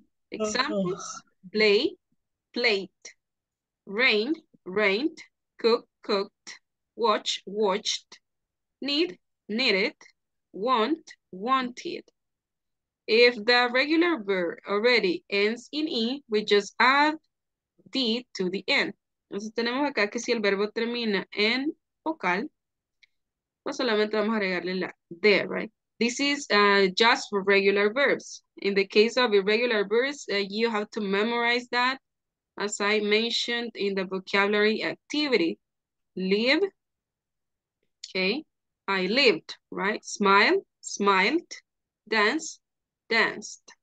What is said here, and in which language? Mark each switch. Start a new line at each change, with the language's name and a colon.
English: Examples, play, played, rain, rained, cook, cooked, watch, watched, need, needed, want, wanted. If the regular verb already ends in E, we just add D to the end.
Spanish: Entonces tenemos acá que si el verbo termina en vocal, pues solamente vamos a agregarle la D, right?
English: This is just for regular verbs. In the case of irregular verbs, you have to memorize that, as I mentioned in the vocabulary activity. Live, okay, I lived, right? Smile, smiled, dance, danced.